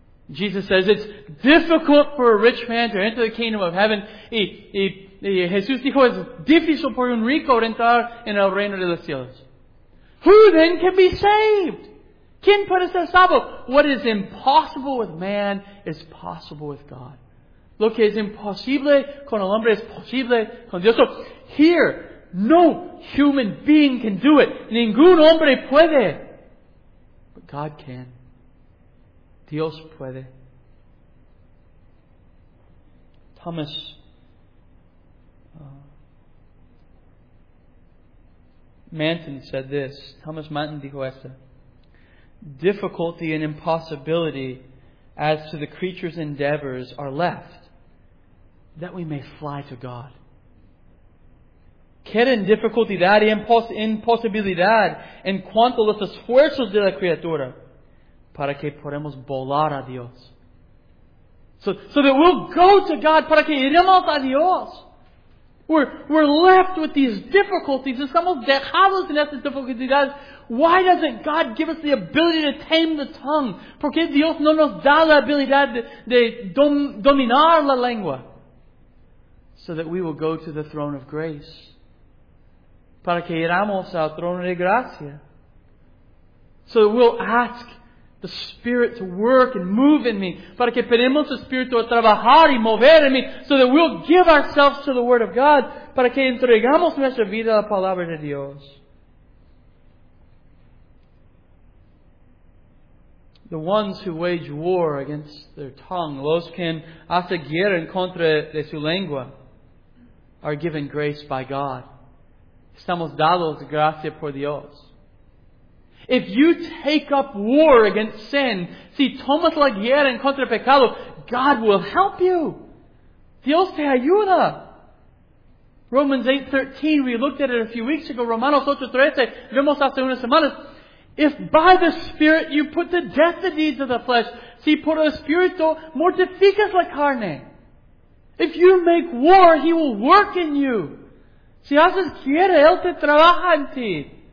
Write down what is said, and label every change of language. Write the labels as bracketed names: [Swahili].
[English] Jesus says, it's difficult for a rich man to enter the kingdom of heaven. [Spanish] Y Jesús dijo, es difícil por un rico entrar en el reino de los cielos. [English] Who then can be saved? [Spanish] ¿Quién puede ser salvo? [English] What is impossible with man is possible with God. [Spanish] Lo que es imposible con el hombre es posible con Dios. [English] So, here, no human being can do it. [Spanish] Ningún hombre puede. [English] But God can. [Spanish] Dios puede. [English] Thomas Manton said this. [Spanish] Thomas Manton dijo esto. [English] Difficulty and impossibility as to the creature's endeavors are left, that we may fly to God. [Spanish] Quieren dificultad y imposibilidad en cuanto a los esfuerzos de la criatura para que podamos volar a Dios. [English] So that we'll go to God [Spanish] para que iremos a Dios. [English] We're left with these difficulties. [Spanish] Estamos dejados en estas dificultades. [English] Why doesn't God give us the ability to tame the tongue? [Spanish] ¿Por qué Dios no nos da la habilidad de dominar la lengua? [English] So that we will go to the throne of grace. [Spanish] Para que iramos al trono de gracia. [English] So that we'll ask the Spirit to work and move in me. [Spanish] Para que pedimos al Espíritu a trabajar y mover en mí. [English] So that we'll give ourselves to the Word of God. [Spanish] Para que entregamos nuestra vida a la Palabra de Dios. [English] The ones who wage war against their tongue, [Spanish] los que hacen guerra en contra de su lengua, [English] are given grace by God. [Spanish] Estamos dados gracia por Dios. [English] If you take up war against sin, [Spanish] si tomas la guerra en contra el pecado, [English] God will help you. [Spanish] Dios te ayuda. [English] Romans 8:13, we looked at it a few weeks ago. [Spanish] Romanos 8:13, vemos hace unas semanas. [English] If by the Spirit you put to death the deeds of the flesh, [Spanish] si por el Espíritu mortificas la carne. [English] If you make war, He will work in you. [Spanish] Si haces quiere, Él te trabaja en ti.